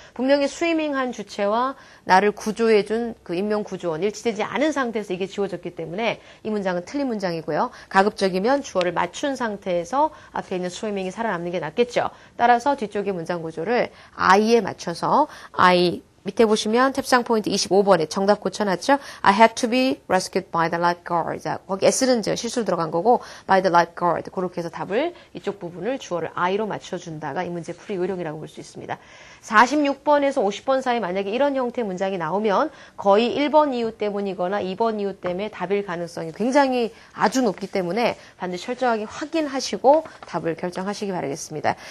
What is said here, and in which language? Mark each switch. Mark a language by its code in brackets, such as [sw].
[ko] 분명히 스위밍한 주체와 나를 구조해준 그 인명 구조원, 일치되지 않은 상태에서 이게 지워졌기 때문에 이 문장은 틀린 문장이고요. 가급적이면 주어를 맞춘 상태에서 앞에 있는 스위밍이 살아남는 게 낫겠죠. 따라서 뒤쪽의 문장 구조를 I에 맞춰서 I 밑에 보시면 탭상 포인트 25번에 정답 고쳐놨죠? [en] I had to be rescued by the lifeguard. [ko] 거기 S는 제가 실수로 들어간 거고 [en] by the lifeguard. [ko] 그렇게 해서 답을 이쪽 부분을 주어를 I로 맞춰준다가 이 문제 풀이 요령이라고 볼 수 있습니다. 46번에서 50번 사이 만약에 이런 형태 문장이 나오면 거의 1번 이유 때문이거나 2번 이유 때문에 답일 가능성이 굉장히 아주 높기 때문에 반드시 철저하게 확인하시고 답을 결정하시기 바라겠습니다.